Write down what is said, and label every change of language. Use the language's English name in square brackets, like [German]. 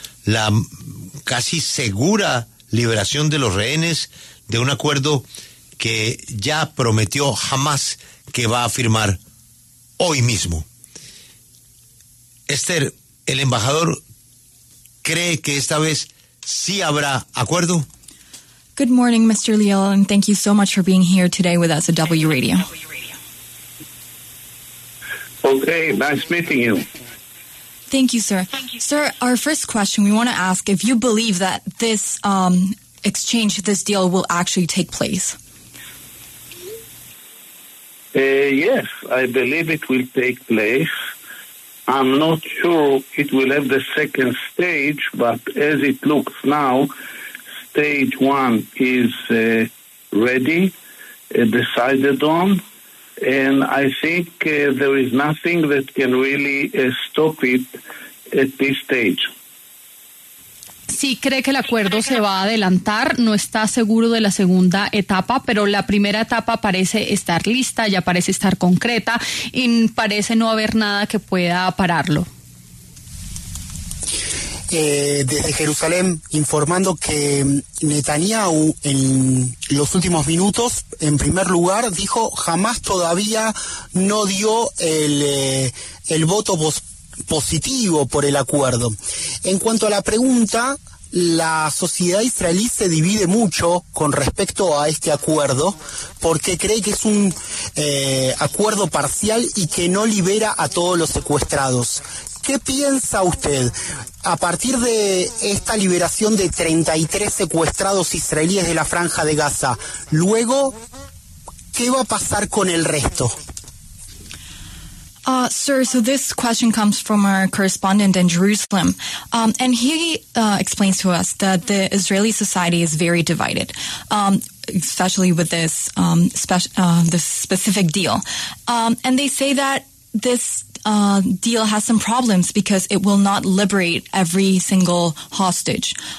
[Spanish] La casi segura liberación de los rehenes de un acuerdo que ya prometió Hamas que va a firmar hoy mismo. Esther, ¿el embajador cree que esta vez sí habrá acuerdo? [English] Good morning, Mr. Liel, and thank you so much for being here today with us at W Radio. Okay, nice meeting you. Thank you, sir. Sir, our first question, we want to ask if you believe that this exchange, this deal, will actually take place. Yes, I believe it will take place. I'm not sure it will have the second stage, but as it looks now, stage one is ready, decided on. And I think there is nothing that can really stop it at this stage. [Spanish] Sí, cree que el acuerdo se va a adelantar. No está seguro de la segunda etapa, pero la primera etapa parece estar lista, ya parece estar concreta, y parece no haber nada que pueda pararlo. Desde Jerusalén, informando que Netanyahu en los últimos minutos, en primer lugar, dijo jamás todavía no dio el voto positivo por el acuerdo. En cuanto a la pregunta, la sociedad israelí se divide mucho con respecto a este acuerdo porque cree que es un acuerdo parcial y que no libera a todos los secuestrados. ¿Qué piensa usted? A partir de esta liberación de 33 secuestrados israelíes de la Franja de Gaza, luego, ¿qué va a pasar con el resto? [English] Sir, so this question comes from our correspondent in Jerusalem, and he explains to us that the Israeli society is very divided, especially with this this specific deal. And they say that this deal has some problems because it will not liberate every single hostage.